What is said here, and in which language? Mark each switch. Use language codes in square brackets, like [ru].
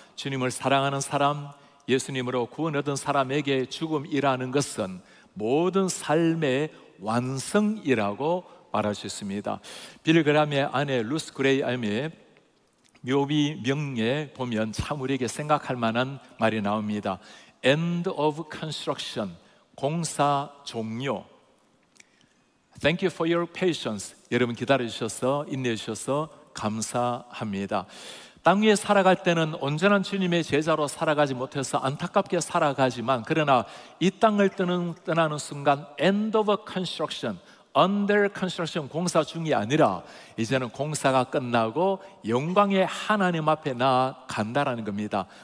[ko] 주님을 사랑하는 사람, 예수님으로 구원 얻은 사람에게 죽음이라는 것은 모든 삶의 완성이라고 말할 수 있습니다. 빌 그램의 아내 루스 그레이엄의 묘비 명예 보면 참 우리에게 생각할 만한 말이 나옵니다. [en] End of construction, [ko] 공사 종료. [en] Thank you for your patience. [ko] 여러분 기다려주셔서 인내해주셔서 감사합니다. 땅 위에 살아갈 때는 온전한 주님의 제자로 살아가지 못해서 안타깝게 살아가지만, 그러나 이 땅을 떠나는 순간 [en] end of construction, under construction, [ko] 공사 중이 아니라 이제는 공사가 끝나고 영광의 하나님 앞에 나아간다라는 겁니다.